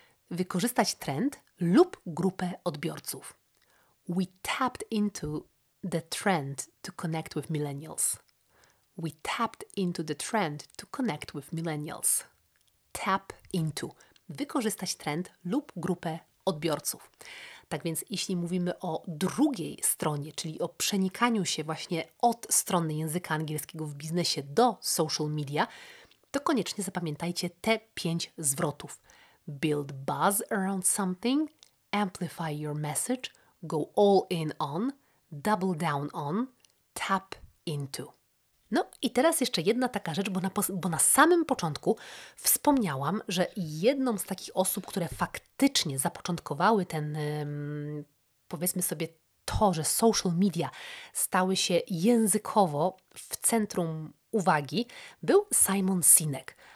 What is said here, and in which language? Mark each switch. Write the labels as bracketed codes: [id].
[pl] Wykorzystać trend lub grupę odbiorców. [en] We tapped into the trend to connect with millennials. We tapped into the trend to connect with millennials. Tap into. [pl] Wykorzystać trend lub grupę odbiorców. Tak więc jeśli mówimy o drugiej stronie, czyli o przenikaniu się właśnie od strony języka angielskiego w biznesie do social media, to koniecznie zapamiętajcie te 5 zwrotów. [en] Build buzz around something, amplify your message, go all in on, double down on, tap into. [pl] No i teraz jeszcze jedna taka rzecz, bo na samym początku wspomniałam, że jedną z takich osób, które faktycznie zapoczątkowały ten, powiedzmy sobie, to, że social media stały się językowo w centrum uwagi, był Simon Sinek.